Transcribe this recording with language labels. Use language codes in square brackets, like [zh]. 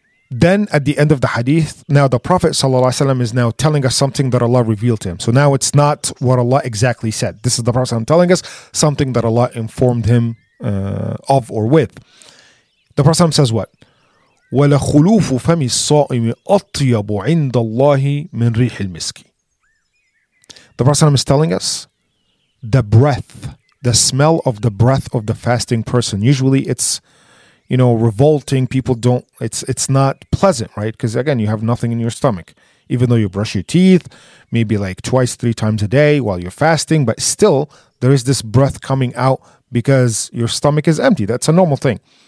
[en] Then at the end of the hadith, now the Prophet sallallahu alaihi wasallam is now telling us something that Allah revealed to him. So now it's not what Allah exactly said. This is the Prophet sallallahu alaihi wasallam telling us something that Allah informed him of or with. The Prophet sallallahu alaihi wasallam says what? [ar] ولخلوف فم الصائم أطيب عند الله من ريح المسك. [en] The Prophet is telling us the breath, the smell of the breath of the fasting person. Usually it's, you know, revolting. People don't, it's not pleasant, right? Because again, you have nothing in your stomach. Even though you brush your teeth, maybe like twice, three times a day while you're fasting, but still there is this breath coming out because your stomach is empty. That's a normal thing.